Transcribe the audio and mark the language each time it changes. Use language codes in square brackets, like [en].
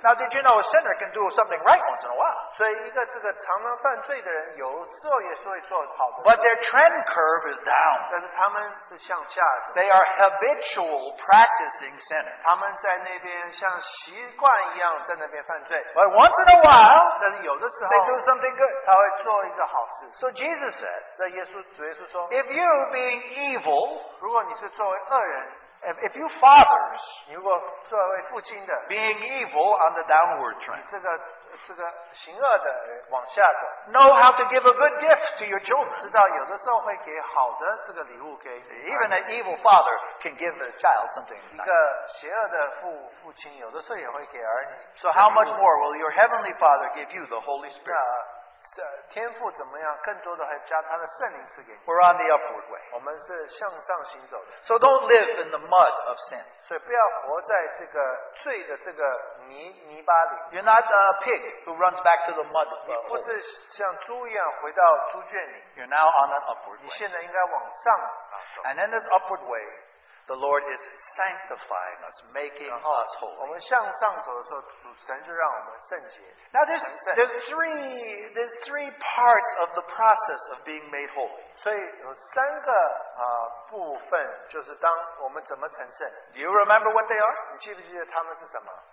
[en] Now, did you know a sinner can do something right once in a while? [zh] 所以一个这个常常犯罪的人, 有时候也是会做好的, [en] but their trend curve is down. [zh] 但是他们是向下的, [en] they are habitual practicing sinners. [zh] 他们在那边像习惯一样在那边犯罪. [en] But once in a while, [zh] 但是有的时候, [en] they do something good. [zh] 他会做一个好事. [en] So Jesus said, [zh] 那耶稣主耶稣说, [en] if you being evil, [zh] 如果你是作为恶人, [en] if you fathers, [zh] 如果作为父亲的, [en] being evil on the downward trend, [zh] 这个行恶的往下的, [en] know how to give a good gift to your children. [zh] 知道有的时候会给好的这个礼物给, [en] even an evil father can give the child something. [zh] 一个邪恶的父亲有的时候也会给儿女, [en] so how much more will your heavenly father give you the Holy Spirit? [zh] 天父怎么样更多的还加他的圣灵赐给你, [en] we're on the upward way. [zh] 我们是向上行走的, [en] so don't live in the mud of sin. [zh] 所以不要活在这个罪的这个泥巴里, [en] you're not a pig who runs back to the mud. [zh] 你不是像猪一样回到猪圈里, [en] you're now on an upward way. [zh] 你现在应该往上走, [en] and in this upward way, the Lord is sanctifying us, making us holy. [zh] 我们向上走的时候, 神就让我们圣洁, [en] now there's three parts of the process of being made holy. [zh] 所以有三个, 部分就是当我们怎么成圣。 [en] Do you remember what they are? [zh] 你记不记得他们是什么?